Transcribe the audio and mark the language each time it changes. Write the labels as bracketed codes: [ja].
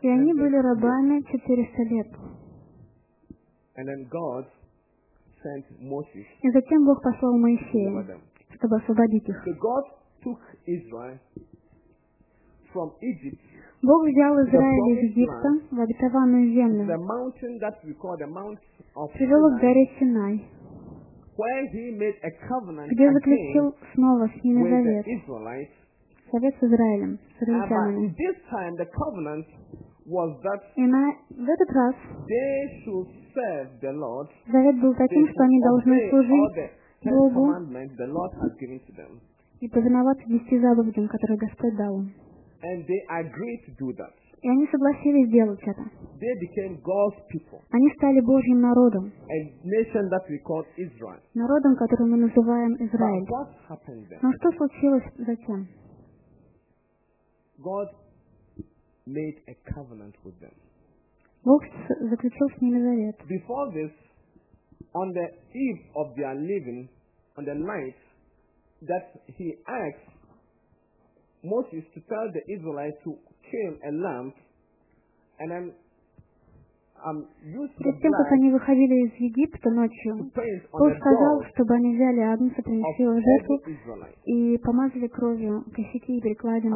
[ru] и они были рабами 400 лет. [en] And then God sent Moses [ru] и затем Бог послал Моисея, чтобы освободить их. [en] So God took Israel from Egypt, [ru] Бог взял Израиль из Египта в обетованную землю, [en] the mountain that we call the Mount of Sinai, [ru] привел к горе Синай, [en] where he made a covenant [ru] где заключил снова с ними завет. Совет с Израилем, с израильтянами. [en] This time the covenant was that [ru] и на этот раз [en] they should serve the Lord, [ru] завет был таким, что они должны служить Богу [en] the Lord has given to them. [ru] И повиноваться 10 заповедям, которые Господь дал им. [en] And they agreed to do that. [ru] И они согласились делать это. [en] They became God's people. [ru] Они стали Божьим народом. [en] A nation that we call Israel. [ru] Народом, который мы называем Израиль. [en] But what happened then? [ru] Но что случилось затем? [en] God made a covenant with them. [ru] Бог заключил с ними завет. [en] Before this, on the eve of their leaving, on the night that he asked Moses to tell the Israelites to kill a lamb, and then [ru] перед тем, как они выходили из Египта ночью, Бог сказал, чтобы они взяли агнца, принесли его в жертву и помазали кровью косяки и перекладину